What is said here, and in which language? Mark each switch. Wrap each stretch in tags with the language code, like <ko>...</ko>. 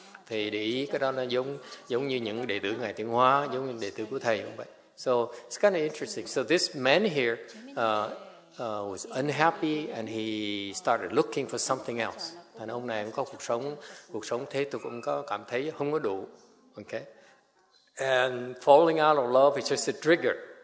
<vi>Thì để ý cái đó nó giống như những đệ tử ngài Tiến Hóa, giống như đệ tử của thầy cũng vậy.</vi> <en>So it's kind of interesting. So this man here was unhappy and he started looking for something else.</en> <vi>Thành ông này cũng có cuộc sống thế tục, cũng có cảm thấy không có đủ.</vi> <en>Okay. And falling out of love is just a trigger.</en>